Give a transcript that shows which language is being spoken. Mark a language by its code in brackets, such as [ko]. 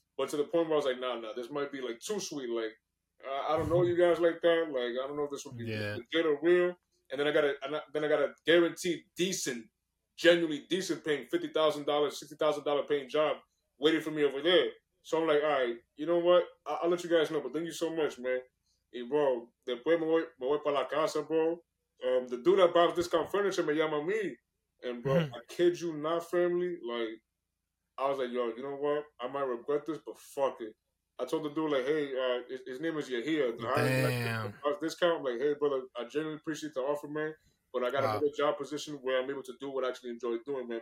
[en] But to the point where I was like, nah, this might be, like, too sweet. Like, I don't know you guys like that. Like, I don't know if this would be legit or real. And then I got a guaranteed decent, genuinely decent paying $50,000, $60,000 paying job waiting for me over there. So I'm like, all right, you know what? I'll let you guys know. But thank you so much, man. [es] Hey, bro, después me voy para la casa, bro. [en] The dude that bought Discount Furniture [es] me llama me. [en] And, bro, I kid you not, family, like, I was like, yo, you know what? I might regret this, but fuck it. I told the dude, like, hey, his name is Yahia. Damn. This guy, I'm like, hey, brother, I genuinely appreciate the offer, man, but I got a good job position where I'm able to do what I actually enjoy doing, man.